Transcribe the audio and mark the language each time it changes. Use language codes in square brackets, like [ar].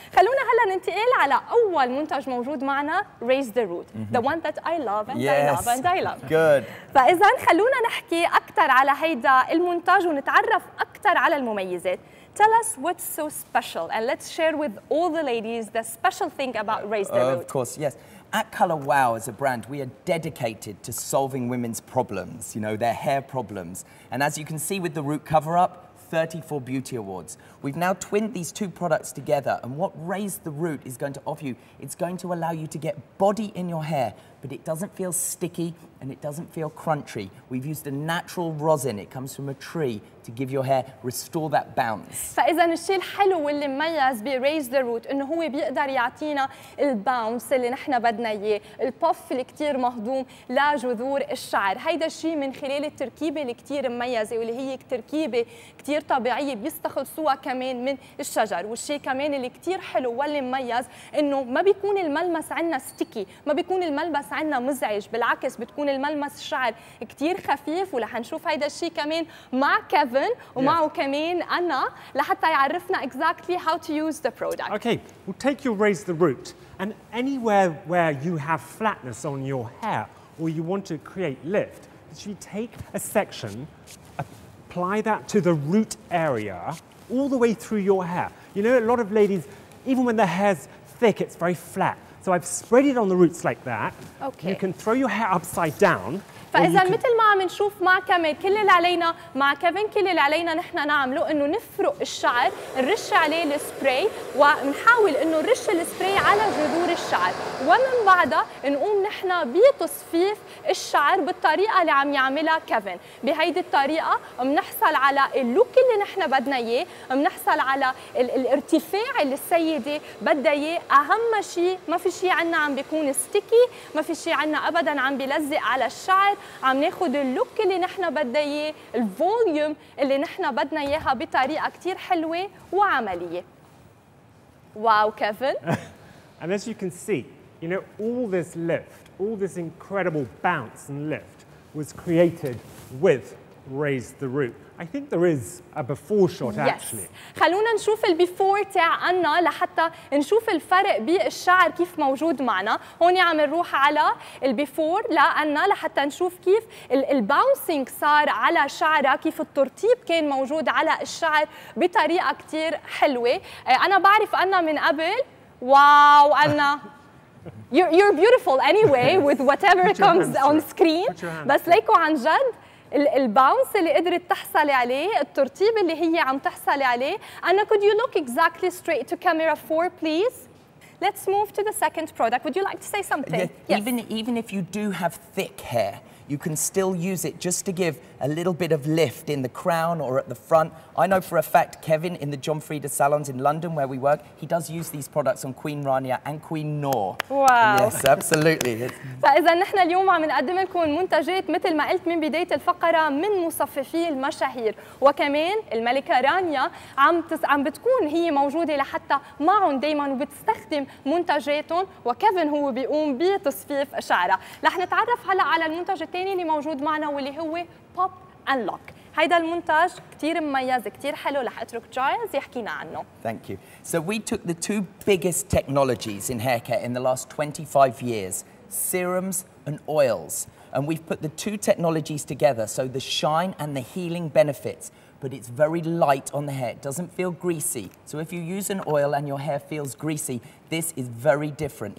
[ar] خلونا هلا ننتقل على أول منتج موجود معنا Raise the Root. [en] The one that I love and yes. I love and I love. Good. [ar] فإذا خلونا نحكي أكثر على هيدا المنتج ونتعرف أكثر على المميزات. [en] Tell us what's so special and let's share with all the ladies the special thing about Raise the Root. Of course, yes. At Color Wow as a brand, we are dedicated to solving women's problems, you know, their hair problems. And as you can see with the Root cover-up, 34 beauty awards. We've now twinned these two products together, and what Raise the Root is going to offer you, it's going to allow you to get body in your hair, but it doesn't feel sticky and it doesn't feel crunchy. We've used a natural rosin, it comes from a tree, to give your hair, restore that bounce. [ar] فإذا الشيء الحلو واللي مميز بـ Raise the Root إنه هو بيقدر يعطينا الباونس اللي نحن بدنا إياه، البوف اللي كتير مهضوم لجذور الشعر، هيدا الشيء من خلال التركيبة اللي كتير مميزة واللي هي تركيبة كتير طبيعية بيستخلصوها كمان من الشجر. والشيء كمان اللي كتير حلو واللي مميز إنه ما بيكون الملمس عنا ستيكي، ما بيكون الملمس عنا مزعج، بالعكس بتكون الملمس الشعر كتير خفيف. ولح نشوف هيدا الشيء كمان مع كيفن ومعه كمان أنا لحتى يعرفنا [en] exactly how to use the product. Okay, we'll take your Raise the Root, and anywhere where you have flatness on your hair or you want to create lift, you take a section, apply that to the root area all the way through your hair. You know, a lot of ladies, even when the hair's thick, it's very flat. So I've spread it on the roots like that. Okay. You can throw your hair upside down. [ar] فإذا مثل ما عم نشوف مع كمال كل اللي علينا مع كيفن كل اللي علينا نحن نعمله إنه نفرق الشعر، نرش عليه السبراي ونحاول إنه نرش السبراي على جذور الشعر، ومن بعدها نقوم نحن بتصفيف الشعر بالطريقة اللي عم يعملها كيفن. بهيدي الطريقة بنحصل على اللوك اللي نحن بدنا إياه، بنحصل على الارتفاع اللي السيدة بدها إياه. أهم شيء ما في شيء عنا عم بيكون ستيكي، ما في شيء عنا أبدا عم بيلزق على الشعر، عم ناخد اللوك اللي نحنا بدنا اياه، الفوليوم اللي نحنا بدنا اياها بطريقه كتير حلوه وعمليه. واو كيفن. [en] And as you can see, you know, all this lift, all this incredible bounce and lift was created with Raise the Root. I think there is a before shot actually. Yes. [ar] خلونا نشوف البيفور تاع عنا لحتى نشوف الفرق بالشعر كيف موجود معنا. هون عم نروح على البيفور لعنا لحتى نشوف كيف الباونسينج صار على شعرها، كيف الترطيب كان موجود على الشعر بطريقه كثير حلوه. انا بعرف عنا من قبل. واو عنا. [en] You're beautiful anyway with whatever comes on screen. [ar] بس ليكو عن جد الباونس اللي قدرت تحصل عليه، الترطيب اللي هي عم تحصل عليه. [en] Anna, could you look exactly straight to camera 4 please? Let's move to the second product. Would you like to say something? Even if you do have thick hair, you can still use it just to give a little bit of lift in the crown or at the front. I know for a fact Kevin in the John Frieda salons in London where we work, he does use these products on Queen Rania and Queen Noor. Wow. Yes, absolutely. [ar] فإذا نحن اليوم عم نقدم لكم منتجات مثل ما قلت من بداية الفقرة من مصففي المشاهير، وكمان الملكة رانيا عم بتكون هي موجودة لحتى معهم دايما وبتستخدم منتجاتهم، وكيفن هو بيقوم بتصفيف شعرها. رح نتعرف هلا على المنتج الثاني اللي موجود معنا واللي هو Pop and Lock. هيدا المنتج كتير مميز كتير حلو، رح اترك جايلز يحكينا عنه. [en] Thank you. So we took the two biggest technologies in hair care in the last 25 years, serums and oils, and we've put the two technologies together, so the shine and the healing benefits, but it's very light on the hair. It doesn't feel greasy. So if you use an oil and your hair feels greasy, this is very different.